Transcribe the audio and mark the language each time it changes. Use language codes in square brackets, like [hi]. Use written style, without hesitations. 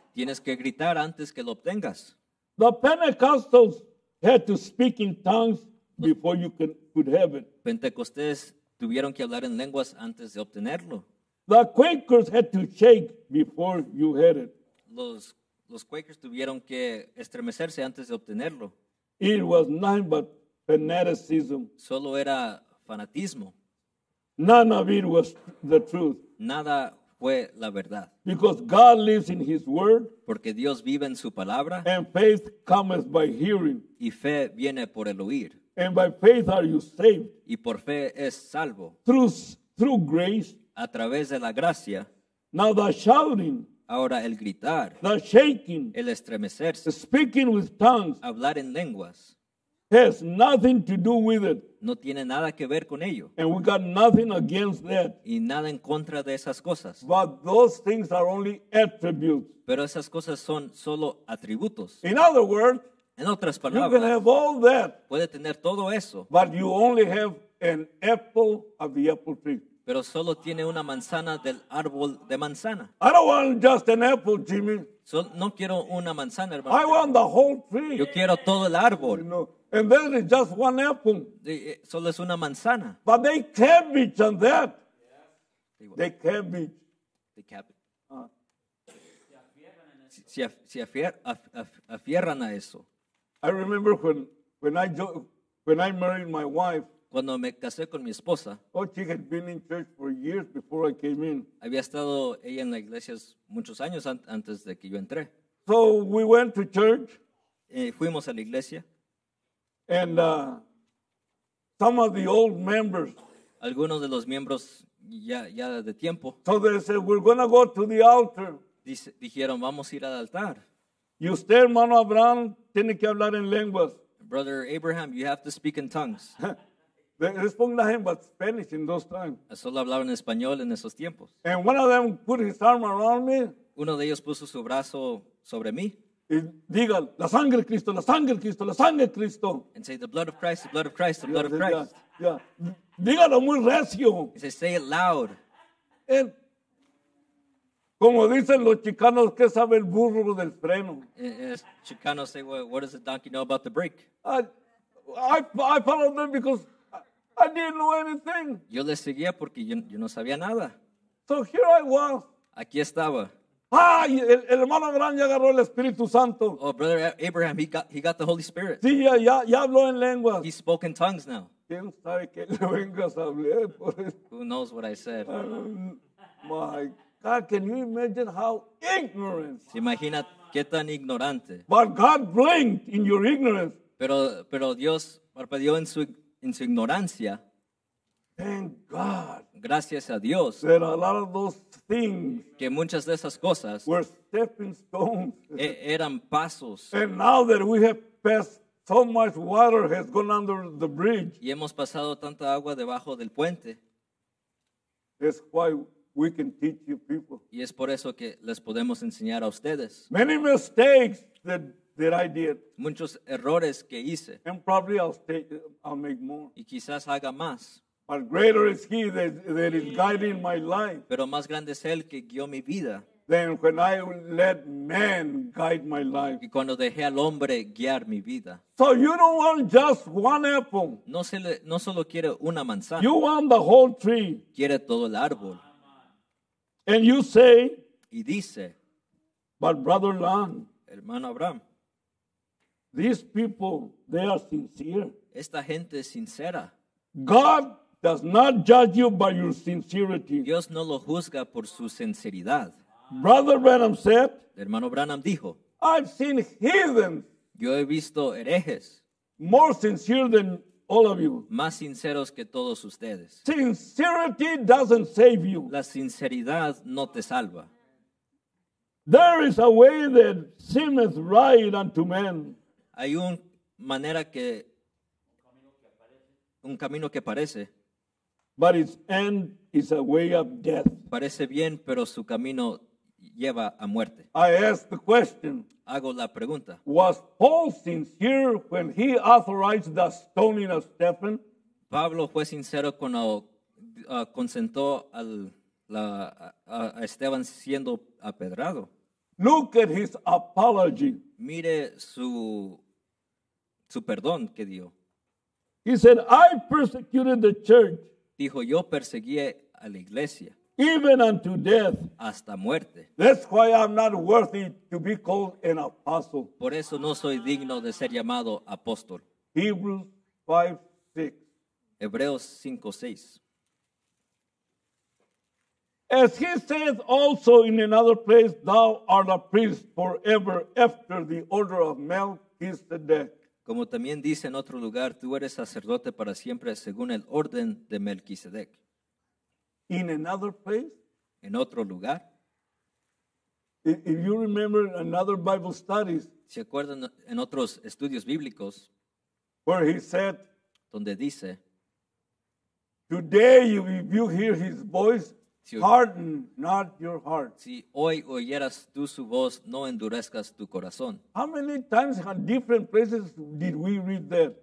[es] Tienes que gritar antes que lo obtengas. [en] The Pentecostals had to speak in tongues before you could have it. [es] Pentecostés tuvieron que hablar en lenguas antes de obtenerlo. [en] The Quakers had to shake before you had it. [es] Los Quakers tuvieron que estremecerse antes de obtenerlo. [en] It was nothing but fanaticism. [es] Solo era fanatismo. [en] None of it was the truth. [es] Nada fue la verdad. [en] Because God lives in His Word. [es] Porque Dios vive en su palabra. [en] And faith cometh by hearing. [es] Y fe viene por el oír. [en] And by faith are you saved. [es] Y por fe es salvo. [en] Through grace. [es] A través de la gracia. [en] Now the shouting. [es] Ahora el gritar. [en] The shaking. [es] El estremecerse. [en] Speaking with tongues. [es] Hablar en lenguas. [en] Has nothing to do with it. [es] No tiene nada que ver con ello. [en] And we got nothing against that. [es] Y nada en contra de esas cosas. [en] But those things are only attributes. [es] Pero esas cosas son solo atributos. [en] In other words. [es] En otras palabras, [en] you can have all that, [es] puede tener todo eso, [en] but you only have an apple of the apple tree. [es] Pero solo tiene una manzana del árbol de manzana. [en] I don't want just an apple, Jimmy. [es] So, no quiero una manzana, hermano. [en] I want the whole tree. [es] Yo quiero todo el árbol. [en] You know, and then it's just one apple. [es] Solo es una manzana. [en] But they cabbage on that. Yeah. They cabbage. They cabbage. [es] Si afierran a eso. [en] I remember when I married my wife. [es] Cuando me casé con mi esposa. [en] Oh, she had been in church for years before I came in. [es] Había estado ella en la iglesia muchos años antes de que yo entré. [en] So we went to church. [es] Fuimos a la iglesia. [en] And some of the old members. [es] Algunos de los miembros ya de tiempo. [en] So they said, we're going to go to the altar. [es] Dijeron, vamos a ir al altar. Y usted, hermano Abraham, tiene que hablar en lenguas. [en] Brother Abraham, you have to speak in tongues. [es] Les pongo la gente, [en] but Spanish in those times. [es] Solo hablaban español en esos tiempos. [en] And one of them put his arm around me. [es] Uno de ellos puso su brazo sobre mí. Y diga, la sangre de Cristo, la sangre de Cristo, la sangre de Cristo. [en] And say, the blood of Christ, the blood of Christ, the blood of Christ. [es] Yeah. Dígalo muy recio. [en] He says, say it loud. [es] And como dicen los chicanos, ¿qué sabe el burro del freno? [en] Chicanos say, well, what does the donkey know about the brake? I followed them because I didn't know anything. [es] Yo les seguía porque yo no sabía nada. [en] So here I was. [es] Aquí estaba. Ah, el hermano Abraham ya agarró el Espíritu Santo. [en] Oh, brother Abraham, he got the Holy Spirit. [es] Sí, ya habló en lengua. [en] He spoke in tongues now. [es] ¿Quién sabe qué lenguas hablé? [en] Who knows what I said? My God. God, can you imagine how ignorant? [es] ¿Se imagina qué tan ignorante? [en] But God blinked in your ignorance. [es] Pero Dios parpadeó en su ignorancia. [en] Thank God. [es] Gracias a Dios. [en] That a lot of those things. [es] Que muchas de esas cosas. [en] Were stepping stones. [es] Eran pasos. [en] And now that we have passed, so much water has gone under the bridge. [es] Y hemos pasado tanta agua debajo del puente. [en] That's why. We can teach you people. [es] Y es por eso que les podemos enseñar a ustedes. [en] Many mistakes that I did. [es] Muchos errores que hice. [en] And probably I'll make more. [es] Y quizás haga más. [en] But greater is He that is guiding my life. [es] Pero más grande es el que guió mi vida. [en] Than when I let man guide my life. [es] Y cuando dejé al hombre guiar mi vida. [en] So you don't want just one apple. [es] No solo quiere una manzana. [en] You want the whole tree. [es] Quiere todo el árbol. [en] And you say, [es] y dice, [en] but brother Lan, [es] hermano Abraham, [en] these people, they are sincere. [es] Esta gente es sincera. [en] God does not judge you by your sincerity. [es] Dios no lo juzga por su sinceridad. [en] Brother Branham said, [es] hermano Branham dijo, [en] I've seen heathens. [es] Yo he visto herejes. [en] More sincere than all of you. [es] Más sinceros que todos ustedes. [en] Sincerity doesn't save you. [es] La sinceridad no te salva. [en] There is a way that seemeth right unto men. [es] Hay una manera que un camino que parece. [en] But its end is a way of death. [es] Parece bien, pero su camino lleva a muerte. [en] I ask the question. [es] Hago la pregunta. [en] Was Paul sincere when he authorized the stoning of Stephen? [es] Pablo fue sincero cuando consentó al a Esteban siendo apedrado. [en] Look at his apology. [es] Mire su perdón que dio. [en] He said, I persecuted the church. [es] Dijo, yo perseguí a la iglesia. [en] Even unto death. [es] Hasta muerte. [en] That's why I'm not worthy to be called an apostle. [es] Por eso no soy digno de ser llamado apóstol. [en] Hebrews 5:6. [es] Hebreos 5:6. [en] As he saith also in another place, thou art a priest forever after the order of Melchizedek. [es] Como también dice en otro lugar, tú eres sacerdote para siempre según el orden de Melquisedec. [en] In another place? [es] En otro lugar. [en] If you remember another Bible studies, [es] si acuerdan en otros estudios bíblicos, [en] where he said, [es] donde dice, [en] today if you hear his voice, si, harden not your heart. [es] Si hoy oyeras tú su voz, no endurezcas tu corazón. [en] How many times in different places did we read that?